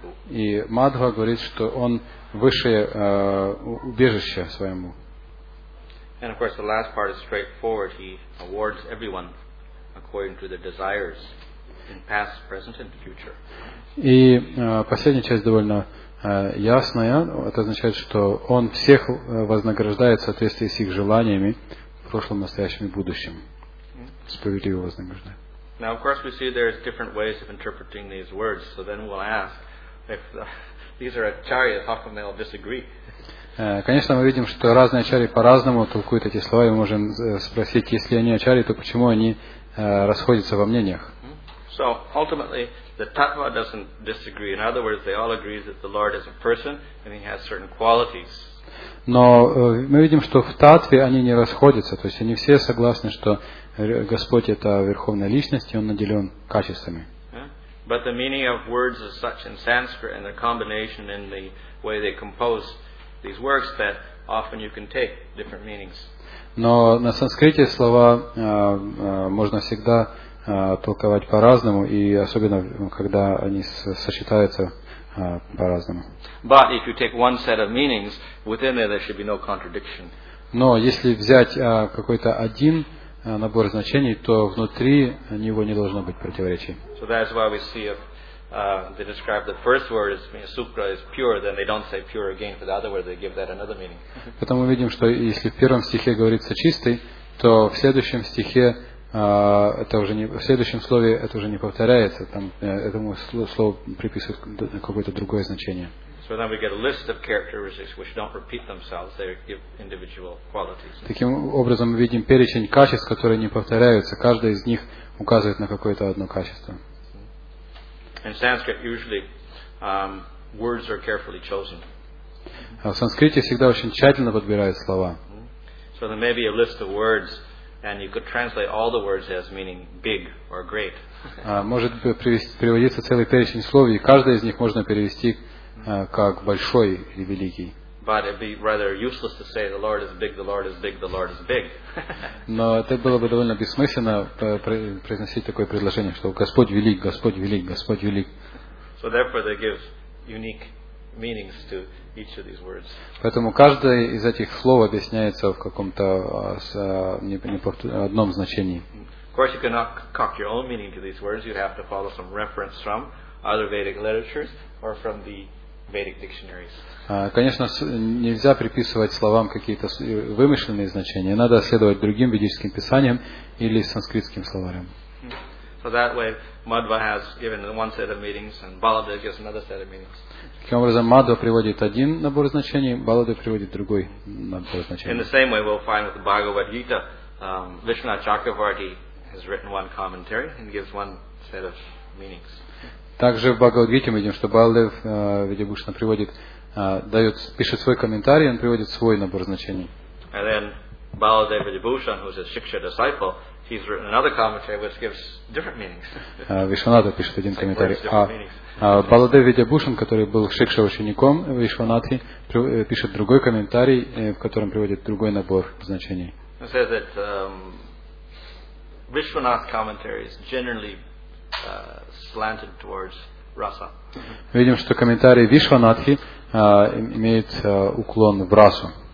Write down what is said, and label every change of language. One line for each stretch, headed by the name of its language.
Russian: И Мадхва говорит, что он высшее убежище своему.
English: And of course, the last part is straightforward. He awards everyone according to their desires in past, present, and future.
Russian: И последняя часть довольно ясная. Это означает, что он всех вознаграждает в соответствии с их желаниями в прошлом, настоящем и будущем. Справедливо вознаграждает.
English: Now, of course, we see there is different ways of interpreting these words. So then we'll ask, if these are acharyas, how come they all disagree?
Russian: Конечно, мы видим, что разные ачарьи по-разному толкуют эти слова, и мы можем спросить, если они ачарьи, то почему они расходятся во мнениях.
English: So, ultimately, the tattva doesn't disagree. In other words, they all agree that the Lord is a person, and he has certain qualities.
Russian: Но мы видим, что в таттве они не расходятся, то есть они все согласны, что Господь — это Верховная Личность, и Он наделен качествами.
English: But the meaning of words is such in Sanskrit, and the combination in the way they compose these works, that often you can take different meanings.
Russian: Но на санскрите слова можно всегда толковать по-разному, и особенно когда они сочетаются по-разному.
English: But if you take one set of meanings within there, there should be no contradiction.
Russian: Но если взять какой-то один набор значений, то внутри него не должно быть противоречий.
English: So that is why we see if they describe the first word as being sukra is pure, then they don't say pure again for the other word, they give that another meaning.
Russian: Потому мы видим, что если в первом стихе говорится чистый, то в следующем стихе это уже не, в следующем слове это уже не повторяется, там этому слову приписывают какое-то другое значение.
English: So then we get a list of characteristics which don't repeat themselves, they give individual qualities.
Russian: Таким образом мы видим перечень качеств, которые не повторяются, каждый из них указывает на какое-то одно качество.
English: In Sanskrit, usually words are carefully chosen.
Russian: В санскрите всегда очень тщательно подбирают слова.
English: So there may be a list of words, and you could translate all the words as meaning big or great.
Russian: Может приводиться целый перечень слов, и каждое из них можно перевести как большой или великий.
English: But it'd be rather useless to say the Lord is big, the Lord is big, the Lord is big.
Russian: Но это было бы довольно бессмысленно произносить такое предложение, что Господь велик, Господь велик, Господь велик.
English: So therefore they give unique meanings to each of these words.
Russian: Поэтому каждое из этих слов объясняется в каком-то одном значении.
English: Of course, you cannot concoct your own meaning to these words. You'd have to follow some reference from other Vedic literatures or from the Vedic dictionaries.
Russian: Конечно, нельзя приписывать словам какие-то вымышленные значения. Надо следовать другим ведическим писаниям или санскритским словарям.
English: So that way, Madhva has given one set of meanings, and Balada gives another set of meanings.
Russian: Таким образом, Мадхва приводит один набор значений, Балада приводит другой набор значений.
English: In the same way, we'll find with the Bhagavad Gita, Vishnu Chakravarti has written one commentary and gives one set of meanings.
Russian: Также в Бхагавад-гите мы видим, что Балада Видябушна приводит, дает, пишет свой комментарий, он приводит свой набор значений.
English: And then Baladeva Vidyabhushan, who is a Shiksha disciple, he's written another commentary which gives different meanings.
Russian: Вишванатха пишет один комментарий. Baladeva Vidyabhushan, который был Шикша учеником Вишванатхи, пишет другой комментарий, в котором приводит другой набор значений.
English: It says that Vishwanath commentary is generally slanted towards rasa.
Russian: Видим, что комментарий Вишванатхи имеет уклон в расу.